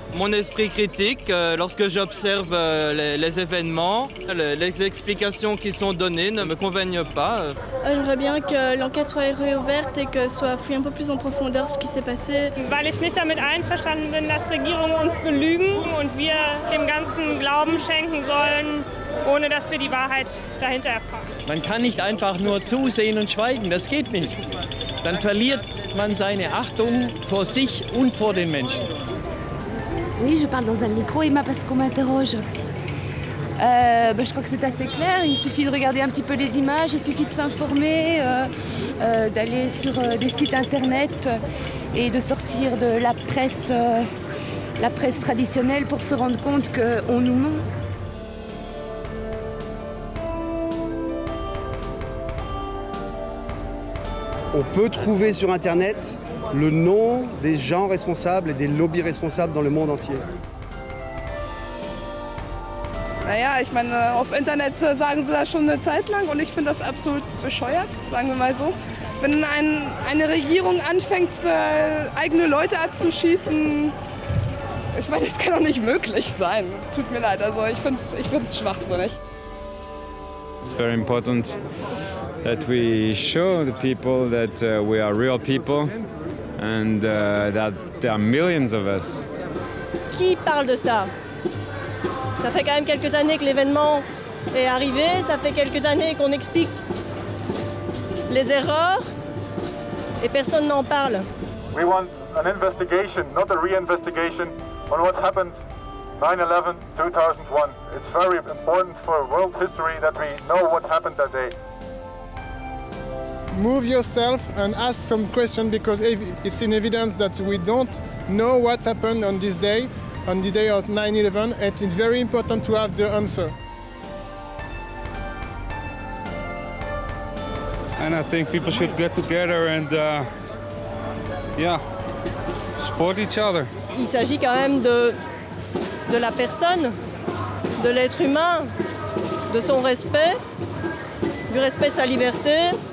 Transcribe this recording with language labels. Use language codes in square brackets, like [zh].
[fr] Mon esprit critique, lorsque j'observe les événements, les explications qui sont données ne me convainquent pas. J'aimerais bien que l'enquête soit réouverte et que soit fouillée un peu plus en profondeur ce qui s'est passé. [de] Weil ich nicht damit einverstanden bin, dass Regierungen uns belügen und wir dem ganzen Glauben schenken sollen, ohne dass wir die Wahrheit dahinter erfahren. Man kann nicht einfach nur zusehen und schweigen, das geht nicht. Dann verliert man seine Achtung vor sich und vor den Menschen. [fr] Oui, je parle dans un micro, Emma, parce qu'on m'interroge. Je crois que c'est assez clair. Il suffit de regarder un petit peu les images, il suffit de s'informer, d'aller sur des sites internet et de sortir de la presse traditionnelle pour se rendre compte qu'on nous ment. On peut trouver sur internet le nom des gens responsables et des lobbies responsables dans le monde entier. [de] Naja, ich meine, auf Internet sagen sie das schon eine Zeit lang und ich finde das absolut bescheuert, sagen wir mal so. Wenn eine Regierung anfängt, eigene Leute abzuschießen, ich meine, das kann doch nicht möglich sein. Tut mir leid, also ich find's schwachsinnig. [en] It's very important that we show the people that we are real people. And that there are millions of us. [fr] Qui parle de ça? Ça fait quand même quelques années que l'événement est arrivé, ça fait quelques années qu'on explique les erreurs et personne n'en parle. [en] We want an investigation, not a re-investigation, on what happened 9/11/2001. It's very important for world history that we know what happened that day. Move yourself and ask some questions because it's in evidence that we don't know what happened on this day, on the day of 9/11. It's very important to have the answer. And I think people should get together and, support each other. [fr] Il s'agit quand même de la personne, de l'être humain, de son respect, du respect de sa liberté.